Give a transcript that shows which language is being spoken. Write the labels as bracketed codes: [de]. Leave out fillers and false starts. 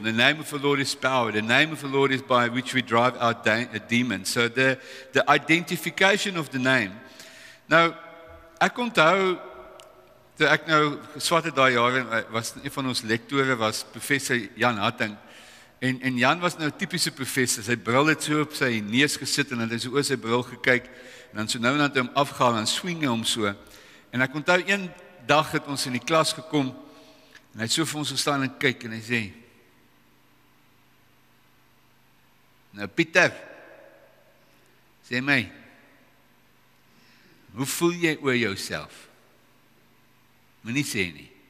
[en] The name of the Lord is power. The name of the Lord is by which we drive out demons. So the identification of the name. [af] Nou, ek onthou toe ek nou geswat het daai jare, was een van ons lektore was professor Jan Hatting. En Jan was nou typiese professor. Sy bril het so op sy neus gesit en het hy so oor sy bril gekyk. En dan so nou en dan toe hom afgehaal en swing hom so. En ek onthou een dag het ons in die klas gekom en hy het so vir ons gestaan en kyk en hy sê, nou Pieter, sê my, hoe voel jy oor jouself? Moet nie sê nie.